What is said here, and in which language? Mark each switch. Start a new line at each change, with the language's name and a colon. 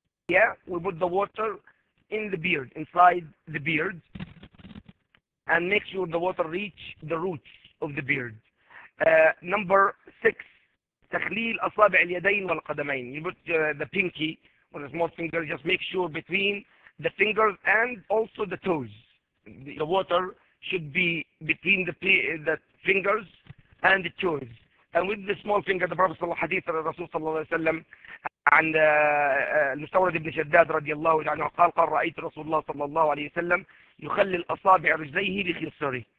English: yeah, we put the water in the beard, inside the beard, and make sure the water reach the roots of the beard. Number six,
Arabic: تخليل أصابع اليدين والقدمين.
English: You put the pinky or the small finger, just make sure between the fingers and also the toes. The water should be between the fingers and the toes. And with the small finger, the Prophet
Arabic: صلى الله عليه وسلم, الرسول صلى الله عليه وسلم, عن المستورد بن شداد رضي الله عنه قال قال رأيت رسول الله صلى الله عليه وسلم يخلل أصابع رجليه بخنصره.